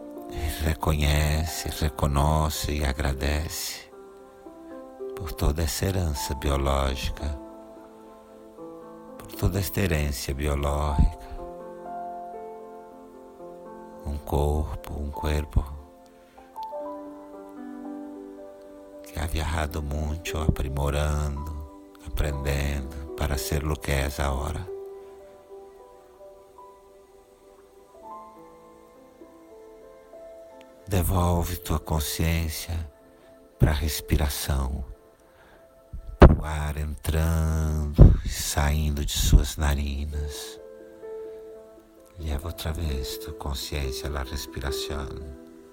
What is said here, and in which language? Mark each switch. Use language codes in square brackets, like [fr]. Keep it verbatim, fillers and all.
[pt] E reconhece, reconhece e agradece por toda essa herança biológica, [es] por toda esta herência biológica. Un corpo, un cuerpo que ha viajado mucho, aprimorando, aprendiendo para ser lo que es ahora. [pt] Devolve tua consciência para a respiração, para o ar entrando e saindo de suas narinas. [es] Lleva otra vez tu conciencia a la respiración.